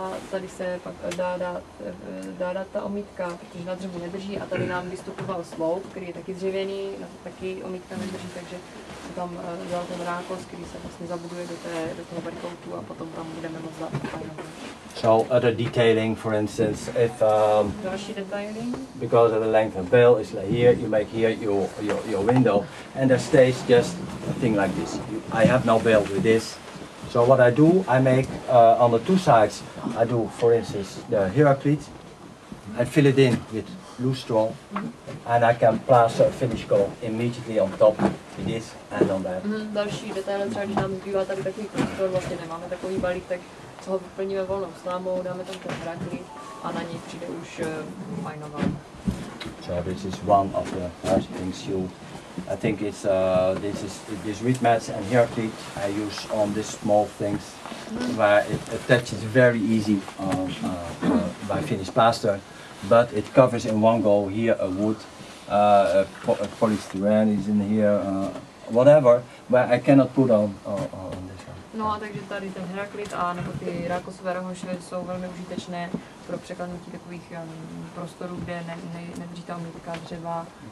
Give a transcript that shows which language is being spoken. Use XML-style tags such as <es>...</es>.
<cs>Tady se pak dá dát ta omítka, protože na dřevu nedrží a tady nám vystupoval sloup, který je taky dřevěný, na to taky omítka nedrží, takže se tam dělal ten rákos, který se vlastně zabuduje do toho barikoutu a potom tam budeme moc dát fajnou.</cs> <en>So other detailing, for instance, if...</en> <cs>Další detailing?</cs> <en>Because of the length of bale is like here, you make here your window and there stays just a thing like this. I have no bale with this. So what I do, I make on the two sides, I do, for instance, the Heraclete. I fill it in with loose straw, and I can plaster a finish coat immediately on top with this and on that.</en> <cs>Další detail, třeba když nám zbývá tady takový prostor, vlastně nemáme takový balík, tak toho vyplníme volnou slámou, dáme tam ten Heraclete a na něj přijde už fajnová.</cs> <en>this is one of the nice things you, I think it's, this is, this reed mats and hair clip I use on these small things, where it attaches very easy by finished plaster, but it covers in one go here a wood, a polystyrene is in here, whatever, where I cannot put on this one.</en> <cs>No a takže tady ten heraklit a nebo ty rákosové rohoše jsou velmi užitečné pro překladnutí takových prostorů, kde nedříte omítka dřeva.</cs>